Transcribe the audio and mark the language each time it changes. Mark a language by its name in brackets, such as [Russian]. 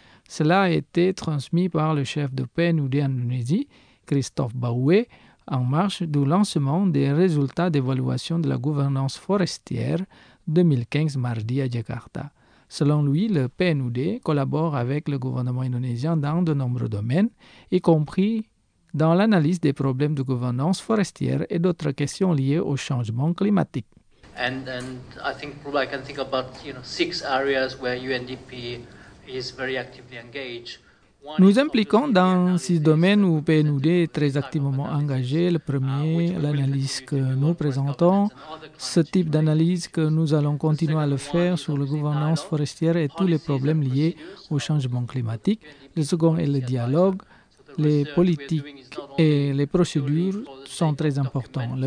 [French] Cela a été transmis par le chef de PNUD en Indonésie, Christophe Baoué, en marche du lancement des résultats d'évaluation de la gouvernance forestière 2015 mardi à Jakarta. Selon lui, le PNUD collabore avec le gouvernement indonésien dans de nombreux domaines, y compris dans l'analyse des problèmes de gouvernance forestière et d'autres questions liées au changement climatique. [English] And I think probably I can think about, you know, six areas where UNDP is very actively engaged. [French] Nous impliquons dans six domaines où PNUD est très activement engagé. Le premier, l'analyse que nous présentons. Ce type d'analyse que nous allons continuer à le faire sur la gouvernance forestière et tous les problèmes liés au changement climatique. Le second est le dialogue. Les politiques et les procédures sont très importantes.